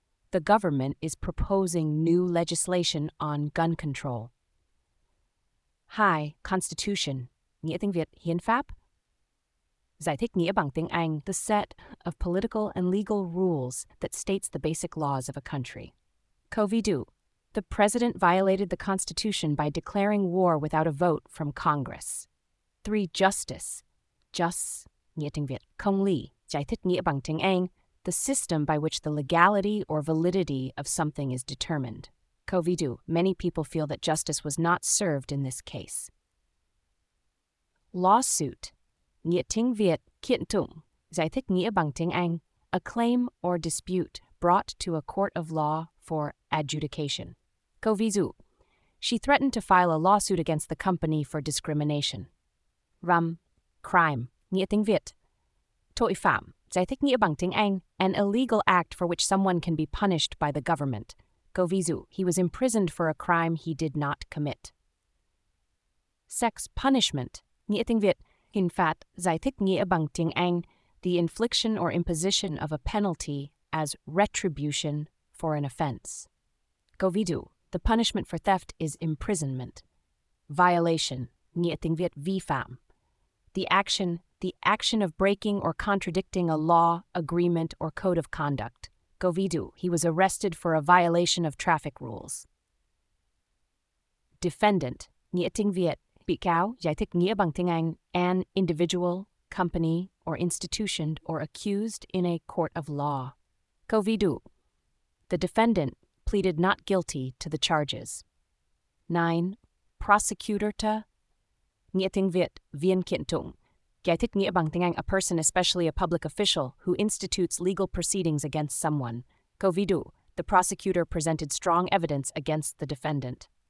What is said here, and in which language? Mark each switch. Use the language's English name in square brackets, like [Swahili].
[English] The government is proposing new legislation on gun control. 2. [Vietnamese] Constitution, nghĩa tiếng Việt hiến pháp. Giải thích nghĩa bằng tiếng Anh, [English] the set of political and legal rules that states the basic laws of a country. [Vietnamese] Câu ví dụ, [English] the president violated the constitution by declaring war without a vote from Congress. 3. Justice, just, [Vietnamese] nghĩa tiếng Việt, công lý, giải thích nghĩa bằng tiếng Anh, [English] the system by which the legality or validity of something is determined. [Vietnamese] Câu ví dụ, [English] many people feel that justice was not served in this case. Lawsuit. [Vietnamese] Nghĩa tiếng Việt, kiện tụng, giải thích nghĩa bằng tiếng Anh, [English] a claim or dispute brought to a court of law for adjudication. [Vietnamese] Câu ví dụ, [English] she threatened to file a lawsuit against the company for discrimination. Rum, crime, [Vietnamese] nghĩa tiếng Việt, tội phạm, giải thích nghĩa bằng tiếng Anh, [English] an illegal act for which someone can be punished by the government. [Vietnamese] Câu ví dụ, [English] he was imprisoned for a crime he did not commit. Sex punishment, [Vietnamese] nghĩa tiếng Việt, hình phạt, giải thích nghĩa bằng tiếng Anh, [English] the infliction or imposition of a penalty as retribution for an offense. [Vietnamese] Câu ví dụ, [English] the punishment for theft is imprisonment. Violation, [Vietnamese] nghĩa tiếng Việt vi phạm. [English] The action of breaking or contradicting a law, agreement, or code of conduct. [Vietnamese] Câu ví dụ, [English] he was arrested for a violation of traffic rules. Defendant, [Vietnamese] nghĩa tiếng Việt. Bị cáo, giải thích nghĩa bằng tiếng Anh, [English] an individual, company, or institution, or accused in a court of law. [Vietnamese] Câu ví dụ, [English] the defendant pleaded not guilty to the charges. 9. Prosecutor ta, [Vietnamese] nghĩa tiếng Việt, viên kiện tụng, giải thích nghĩa bằng tiếng Anh, [English] a person, especially a public official, who institutes legal proceedings against someone. [Vietnamese] Câu ví dụ, [English] the prosecutor presented strong evidence against the defendant.